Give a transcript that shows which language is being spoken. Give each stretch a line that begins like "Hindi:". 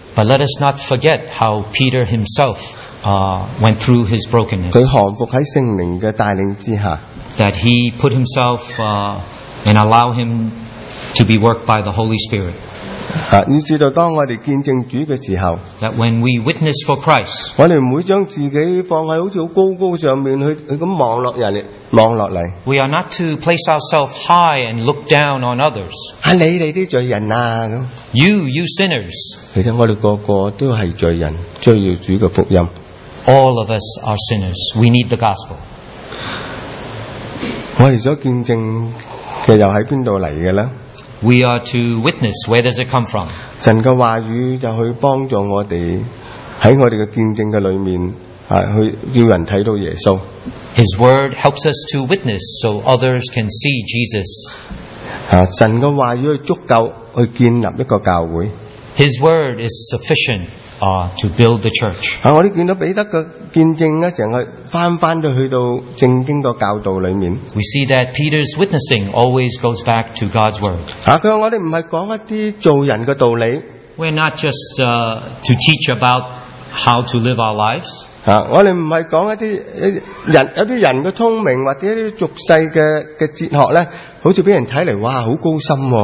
English: but let us not forget how Peter himself went through his brokenness. That he put himself and allow him to be worked by the Holy Spirit.
Chinese: 啊,你知道当我们见证主的时候,
English: that when we witness for Christ,
Chinese: 我们不会将自己放在好像很高高上面去望落人,望落来,
English: we are not to place ourselves high and look down on others.
Chinese: 啊,你们这些罪人啊,
English: you sinners.
Chinese: 其实我们个个都是罪人, 需要主的福音。
English: All of us are sinners. We need the gospel.
Chinese: 我们所见证的又在哪里来的呢?
English: We are to witness. Where does it come from?
Chinese: 神的话语就去帮助我们在我们的见证里面, 啊, 去要人看到耶稣。
English: His word helps us to witness so others can see Jesus.
Chinese: 啊, 神的话语足够去建立一个教会。
English: His word is sufficient to build the church.
Chinese: 啊, 我们看到彼得的见证呢,
English: we see that Peter's witnessing always goes back to God's word.
Chinese: 啊, 他说我们不是讲一些做人的道理,
English: we're not just to teach about how to live our lives.
Chinese: 啊, 我们不是讲一些人的聪明或者一些俗世的哲学呢, 好像被人看来, 哇, 很高深,